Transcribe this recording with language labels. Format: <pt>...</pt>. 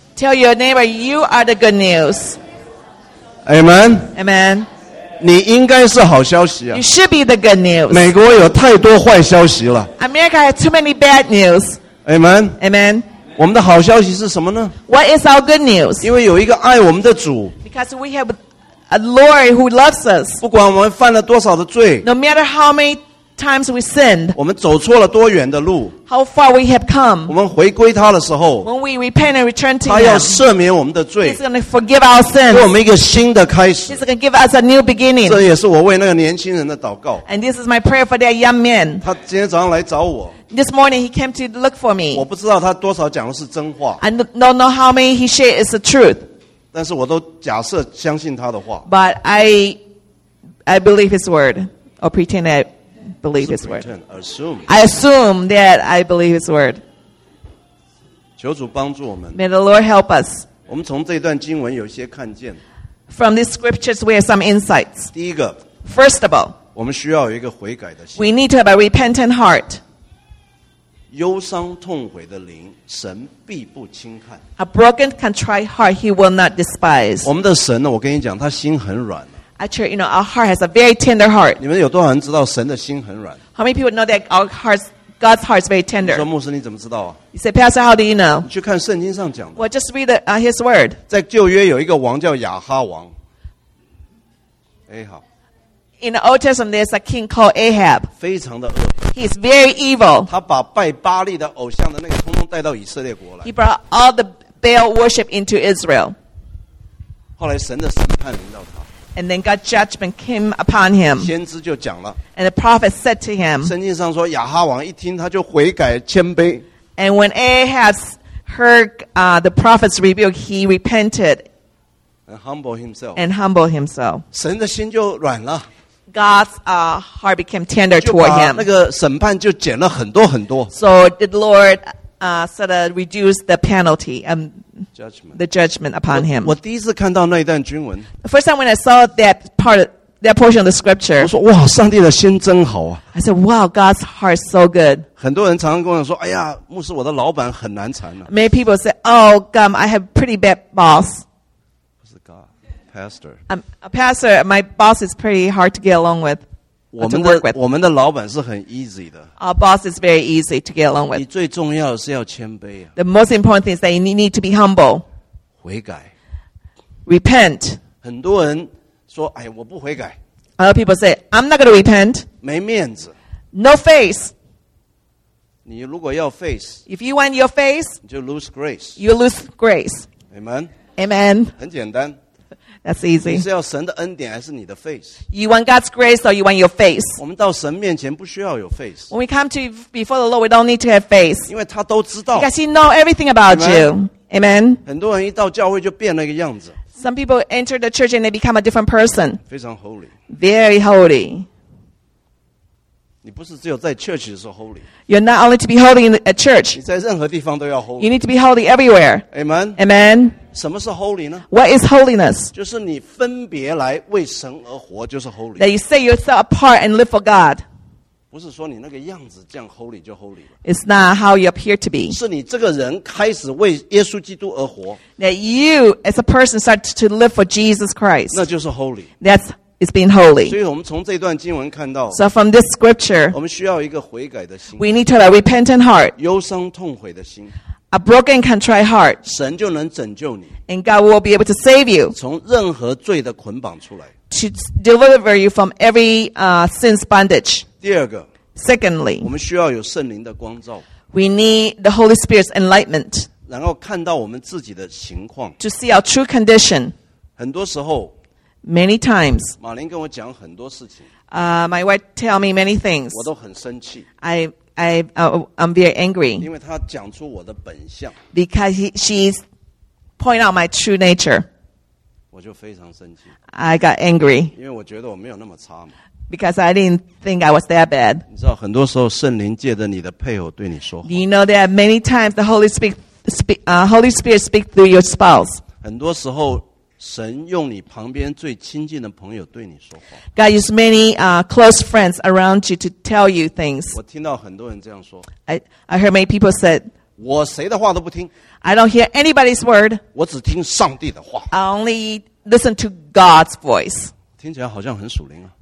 <en>Tell your neighbor, you are the good news. Amen. Amen.</en> <zh>你应该是好消息啊。</zh> <en>You should be the good news.</en> <zh>美国有太多坏消息了。</zh> <en>America has too many bad news. Amen. Amen.</en> <zh>我们的好消息是什么呢？</zh> <en>What is our good news?</en> <zh>因为有一个爱我们的主。</zh> <en>Because we have a Lord who loves us.</en> <zh>不管我们犯了多少的罪。</zh> <en>No matter how many times we sinned.</en> <zh>我们走错了多远的路。</zh> <en>How far we have come.</en> <zh>我们回归他的时候。</zh> <en>When we repent and return to him.</en> <zh>他要赦免我们的罪。</zh> <en>He's going to forgive our sins.</en> <zh>给我们一个新的开始。</zh> <en>He's going to give us a new beginning.</en> <zh>这也是我为那个年轻人的祷告。</zh> <en>And this is my prayer for that young man.</en> <zh>他今天早上来找我。</zh> <en>This morning he came to look for me.</en> <zh>我不知道他多少讲的是真话。</zh> <en>I don't know how many he shared is the truth.</en> <zh>但是我都假设相信他的话。</zh> <en>But I believe his word. Or pretend that. Believe his word. I assume that I believe his word.</en> <zh>求主帮助我们。</zh> <en>May the Lord help us.</en> <zh>我们从这段经文有些看见。</zh> <en>From these scriptures, we have some insights.</en> <zh>第一个。</zh> <en>First of all.</en> <zh>我们需要有一个悔改的心。</zh> <en>We need to have a repentant heart.</en> <zh>忧伤痛悔的灵，神必不轻看。</zh> <en>A broken, contrite heart, He will not despise.</en> <zh>我们的神呢？我跟你讲，他心很软。</zh> <en>Actually, you know, our heart has a very tender heart.</en> <zh>你们有多少人知道神的心很软？</zh> <en>How many people know that our hearts, God's heart is very tender?</en> <zh>你说牧师你怎么知道啊？</zh> <en>You say, Pastor, how do you know?</en> <zh>你去看圣经上讲的。</zh> <en>Well, just read his word.</en> <zh>在旧约有一个王叫亚哈王。哎，好。</zh> <en>In the Old Testament, there's a king called Ahab.</en> <zh>非常的恶。</zh> <en>He is very evil.</en> <zh>他把拜巴利的偶像的那个通通带到以色列国来。</zh> <en>He brought all the Baal worship into Israel.</en> <zh>后来神的审判临到他。</zh> <en>And then God's judgment came upon him.</en> <zh>先知就讲了。</zh> <en>And the prophet said to him.</en> <zh>圣经上说亚哈王一听他就悔改谦卑。</zh> <en>And when Ahab heard the prophet's rebuke, he repented. And humbled himself. And humbled himself.</en> <zh>神的心就软了。</zh> <en>God's heart became tender toward him.</en> <zh>就把那个审判就减了很多很多。</zh> <en>So the Lord sort of reduced the penalty and judgment. The judgment upon him.</en> <zh>我第一次看到那一段经文。</zh> <en>The first time when I saw that part, that portion of the scripture.</en> <zh>我说哇，上帝的心真好啊。</zh> <en>I said, wow, God's heart is so good.</en> <zh>很多人常常跟我说，哎呀，牧师，我的老板很难缠啊。</zh> <en>Many people say, oh, God, I have pretty bad boss.</en> <zh>不是</zh> <en>God, pastor. I'm a pastor. My boss is pretty hard to get along with.</en> <zh>我们的老板是很 easy 的。</zh> <en>Our boss is very easy to get along with.</en> <zh>你最重要的是要谦卑啊。</zh> <en>The most important thing is that you need to be humble.</en> <zh>悔改。</zh> <en>Repent.</en> <zh>很多人说，哎，我不悔改。</zh> <en>A lot of people say, I'm not going to repent.</en> <zh>没面子。</zh> <en>No face.</en> <zh>你如果要 face.</zh> <en>If you want your face.</en> <zh>你就</zh> <en>lose grace. You lose grace. Amen. Amen.</en> <zh>很简单。</zh> <en>That's easy.</en> <zh>你是要神的恩典还是你的 face?</zh> <en>You want God's grace or you want your face?</en> <zh>我们到神面前不需要有 face.</zh> <en>When we come to before the Lord, we don't need to have face.</en> <zh>因为他都知道。</zh> <en>Because he knows everything about you. Amen.</en> <zh>很多人一到教会就变了一个样子。</zh> <en>Some people enter the church and they become a different person.</en> <zh>非常 holy.</zh> <en>Very holy.</en> <zh>你不是只有在 church 的时候 holy.</zh> <en>You're not only to be holy at church.</en> <zh>你在任何地方都要 holy.</zh> <en>You need to be holy everywhere. Amen. Amen.</en> <zh>什么是 holy 呢？</zh> <en>What is holiness?</en> <zh>就是你分别来为神而活，就是 holy.</zh> <en>That you set yourself apart and live for God.</en> <zh>不是说你那个样子这样 holy 就 holy 了。</zh> <en>It's not how you appear to be.</en> <zh>是你这个人开始为耶稣基督而活。</zh> <en>That you as a person start to live for Jesus Christ.</en> <zh>那就是 holy.</zh> <en>It's being holy.</en> <zh>所以我们从这段经文看到。</zh> <en>So from this scripture.</en> <zh>我们需要一个悔改的心。</zh> <en>We need to have a repentant heart.</en> <zh>忧伤痛悔的心。</zh> <en>A broken, contrite heart.</en> <zh>神就能拯救你。</zh> <en>And God will be able to save you.</en> <zh>从任何罪的捆绑出来。</zh> <en>To deliver you from every sin's bondage.</en> <zh>第二个。</zh> <en>Secondly.</en> <zh>我们需要有圣灵的光照。</zh> <en>We need the Holy Spirit's enlightenment.</en> <zh>然后看到我们自己的情况。</zh> <en>To see our true condition.</en> <zh>很多时候。</zh> <en>Many times.</en> <zh>马林跟我讲很多事情。</zh> <en>My wife tell me many things.</en> <zh>我都很生气。</zh> <en>I'm very angry.</en> <zh>因为他讲出我的本相。</zh> <en>Because she's pointing out my true nature.</en> <zh>我就非常生气。</zh> <en>I got angry.</en> <zh>因为我觉得我没有那么差嘛。</zh> <en>Because I didn't think I was that bad.</en> <zh>你知道，很多时候圣灵借着你的配偶对你说话。</zh> <en>Do you know that many times the Holy Spirit speaks through your spouse?</en> <zh>很多时候，神用你旁边最亲近的朋友对你说话。</zh> <en>God used many close friends around you to tell you things.</en> <zh>我听到很多人这样说。</zh> <en>I heard many people said.</en> <zh>我谁的话都不听。</zh> <en>I don't hear anybody's word.</en> <zh>我只听上帝的话。</zh> <en>I only listen to God's voice.</en> <zh>听起来好像很属灵啊。</zh>